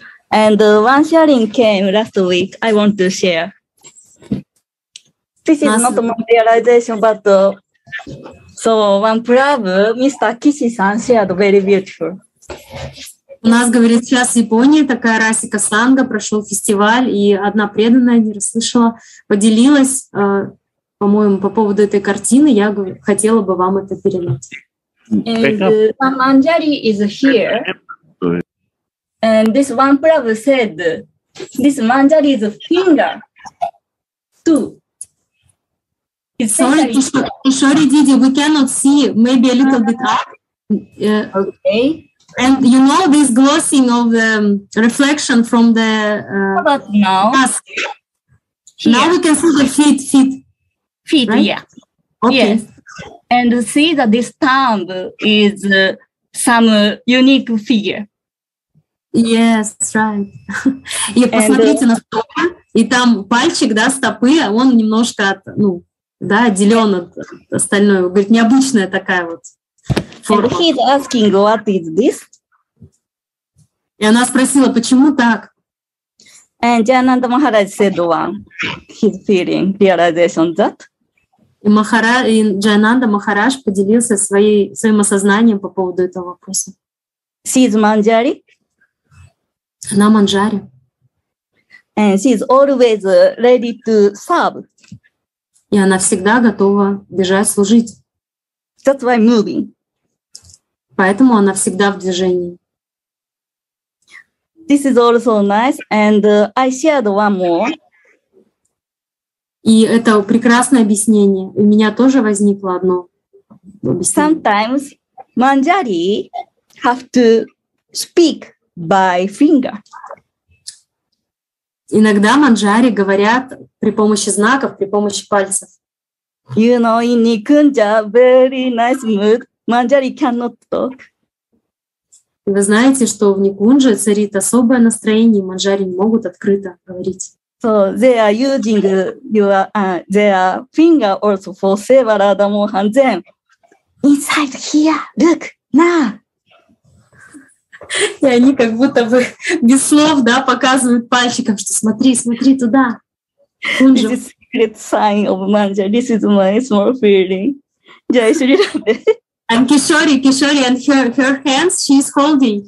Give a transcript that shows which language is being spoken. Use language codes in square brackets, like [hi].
[en] And one sharing came last week, I want to share. This is not a materialization, but so one Prabhu, Mr. Kishi-san, shared very beautiful. [ru] У нас, говорит, сейчас в Японии такая Расика Санга, прошел фестиваль, и одна преданная, не расслышала, поделилась, по-моему, по поводу этой картины, я говорю, хотела бы вам это передать. [en] And Manjari is here. And this one Prabhu said, this Manjari is a finger, too. Sorry, Kishori Didi, we cannot see, maybe a little bit up. Okay. And you know this glossing of the reflection from the how about now? Mask. Now we can see the feet. Feet, right? Yeah. Okay. Yes. And see that this thumb is some unique figure. Yes, right. [ru] И посмотрите на стопы, и там пальчик, да, стопы, он немножко от, ну, да, отделен от остального. Говорит, необычная такая вот форма. [en] And he's asking, what is this? [ru] И она спросила, почему так? [en] And Jayananda Maharaj said one, his feeling, realization that. [ru] И Джайананда Махарадж поделился своим осознанием по поводу этого вопроса. [en] She is Manjari. [ru] Она Манджари. [en] And she is always ready to serve. [ru] И она всегда готова бежать, служить. [en] That's why moving. [ru] Поэтому она всегда в движении. [en] This is also nice. And I shared one more. [ru] И это прекрасное объяснение. У меня тоже возникло одно объяснение. [en] Sometimes Manjari have to speak by finger. [ru] Иногда Манджари говорят при помощи знаков, при помощи пальцев. [en] You know, in Nikunja, very nice mood, Manjari cannot talk. [ru] Вы знаете, что в Никунже царит особое настроение, и Манджари не могут открыто говорить. [en] So they are using their finger also for several other more hands. Then inside here, look now. [ru] И они как будто бы без слов, да, показывают пальчиком, что смотри, смотри туда. [en] This is a secret sign of manja. This is my small feeling. Yeah, it's a little bit. And Kishori, and her hands, she's holding.